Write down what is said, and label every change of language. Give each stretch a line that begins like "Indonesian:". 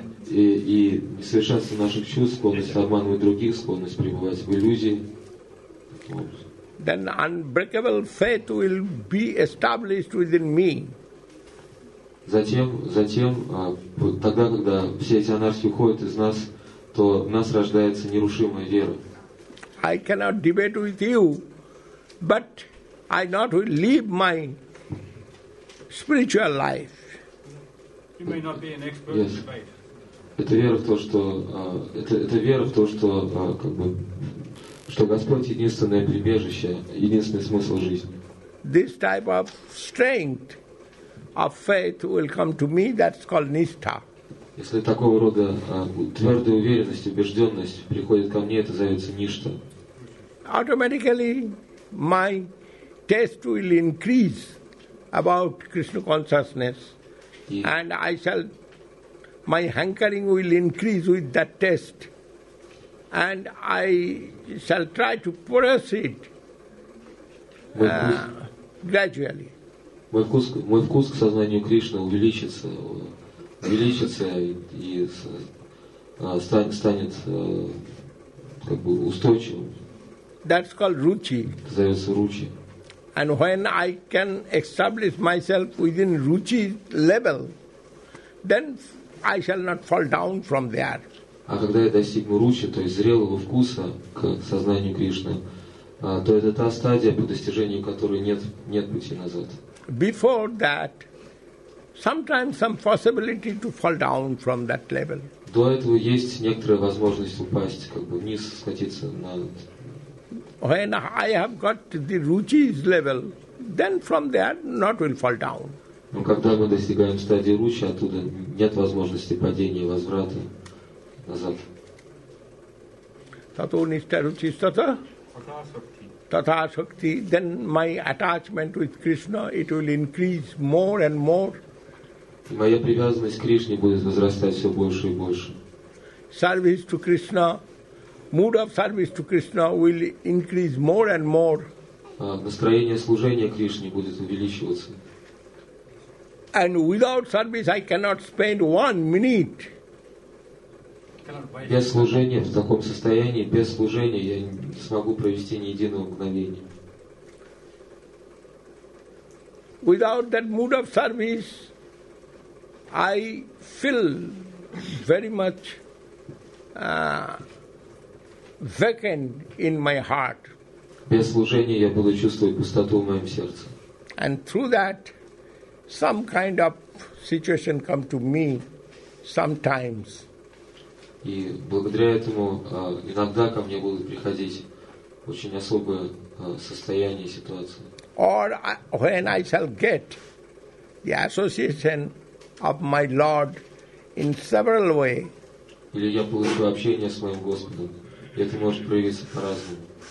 Russian: И несовершенство наших чувств, склонность обманывать других, склонность пребывать в иллюзии.
English: Then unbreakable faith will be established within me.
Russian: Затем, тогда, когда все эти анархии уходят из нас, то в нас рождается нерушимая вера.
English: I cannot debate with you, but I not will leave my spiritual life. You may not be an expert in faith.
Russian: Это вера в то, что это вера в то, что как бы. Что Господь единственное прибежище, единственный смысл жизни.
English: This type of strength of faith will come to me, that's called nishtha.
Russian: Если такого рода твердая уверенность, убежденность приходит ко мне, это зовется ништа.
English: Automatically my taste will increase about Krishna consciousness. And my hankering will increase with that taste. And I shall try to progress it gradually.
Russian: Мой вкус к сознанию Кришны увеличится и станет устойчивым.
English: That's called ruchi.
Russian: Зовется ruchi.
English: And when I can establish myself within ruchi level, then I shall not fall down from there.
Russian: А когда я достигну ручи, то есть зрелого вкуса к сознанию Кришны, то это та стадия, по достижению которой нет пути назад.
English: Before that, sometimes some possibility to fall down from that level.
Russian: До этого есть некоторая возможность упасть, как бы вниз скатиться на...
English: When I have got the ruchi's level, then from there not will fall down.
Russian: Но когда мы достигаем стадии ручи, оттуда нет возможности падения, возврата.
Sanskrit: Tato nishtha ruchis tata.
English: tathāsakti, then my attachment with Krishna, it will increase more and more.
Russian: Моя привязанность к Кришне будет возрастать все больше и больше.
English: Service to Krishna, mood of service to Krishna will increase more and more.
Russian: Настроение служения Кришне будет увеличиваться.
English: And without service, I cannot spend 1 minute.
Russian: Без служения, в таком состоянии, без служения, я не смогу провести ни единого мгновения.
English: Without that mood of service, I feel very much vacant in my heart.
Russian: Без служения я буду чувствовать пустоту в моем сердце.
English: And through that, some kind of situation come to me sometimes.
Russian: И благодаря этому иногда ко мне будут приходить очень особое состояние, ситуации.
English: Or when I shall get the association of my Lord in several way.
Russian: Или я получу общение с моим Господом. Это может проявиться по-разному.